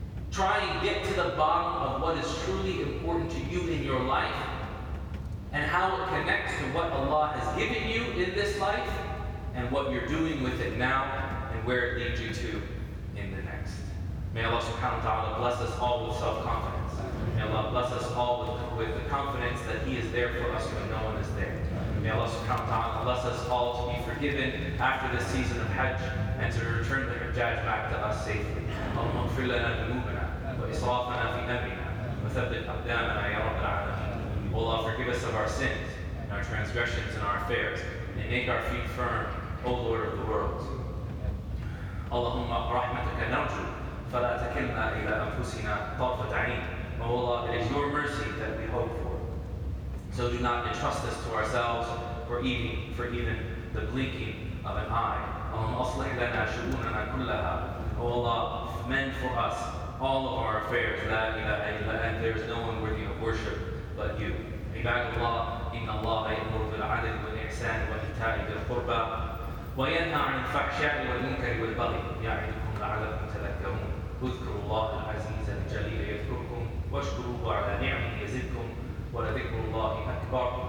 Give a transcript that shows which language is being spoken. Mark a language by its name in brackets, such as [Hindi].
[English] Try and get to the bottom of what is truly important to you in your life and how it connects to what Allah has given you in this life and what you're doing with it now and where it leads you to in the next. May Allah subhanahu wa ta'ala bless us all with self-confidence. May Allah bless us all with the confidence that He is there for us when no one is there. May Allah subhanahu wa ta'ala bless us all to be forgiven after this season of Hajj and to return the Hajjaj back to us safely. [Arabic] اللهم اغفر لنا ذنوبنا وإسرافنا في أمرنا وثبت أقدامنا يا رب العالمين. [English] O Allah, forgive us of our sins and our transgressions and our affairs and make our feet firm, O Lord of the worlds. [Arabic] اللهم برحمتك نرجو فلا تكلنا إلى أنفسنا طرفة عين. [English] O Allah, it is your mercy that we hope for. So do not entrust us to ourselves for even the blinking of an eye. [Arabic] اللهم أصلح لنا شؤوننا كلها. [English] O Allah, mend for us all of our affairs. [Arabic] لا إله إلا أنت. [English] There is no one worthy of worship but you. [Arabic] عباد الله إن الله يأمر بالعدل والإحسان وإيتاء ذي القربى وينهى عن الفحشاء والمنكر والبغي يعظكم لعلكم تذكرون. اذكروا الله العزيز الجليل يذكركم واشكروه على نعمه يزدكم ولذكر الله أكبر.